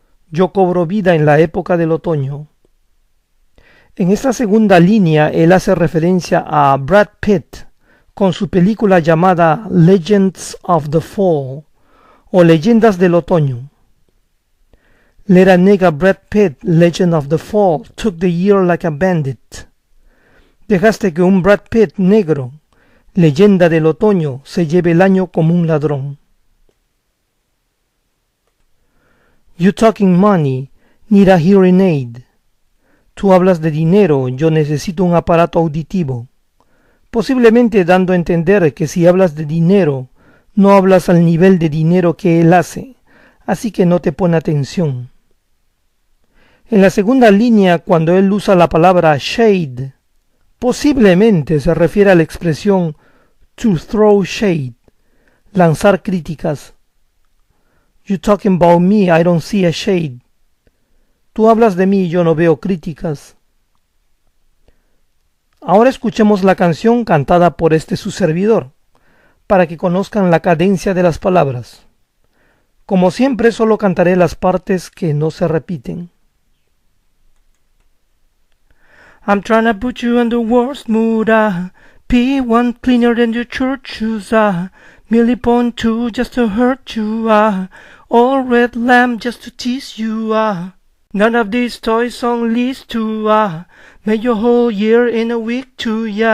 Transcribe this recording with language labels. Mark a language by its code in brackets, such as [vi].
[es] Yo cobro vida en la época del otoño. En esta segunda línea, él hace referencia a Brad Pitt con su película llamada Legends of the Fall o Leyendas del Otoño. [en] Let a nigga Brad Pitt, Legend of the Fall, took the year like a bandit. [es] Dejaste que un Brad Pitt negro, Leyenda del Otoño, se lleve el año como un ladrón. [en] You talking money, need a hearing aid. [es] Tú hablas de dinero, yo necesito un aparato auditivo. Posiblemente dando a entender que si hablas de dinero, no hablas al nivel de dinero que él hace, así que no te pone atención. En la segunda línea, cuando él usa la palabra shade, posiblemente se refiere a la expresión [en] to throw shade, [es] lanzar críticas. [en] You talking about me, I don't see a shade. [es] Tú hablas de mí y yo no veo críticas. Ahora escuchemos la canción cantada por este su servidor, para que conozcan la cadencia de las palabras. Como siempre, solo cantaré las partes que no se repiten. [en] I'm trying to put you in the worst mood, P1 cleaner than your church shoes, Millipone 2 just to hurt you, All red lamb just to tease you, None of these toys on lease to, Made your whole year in a week too,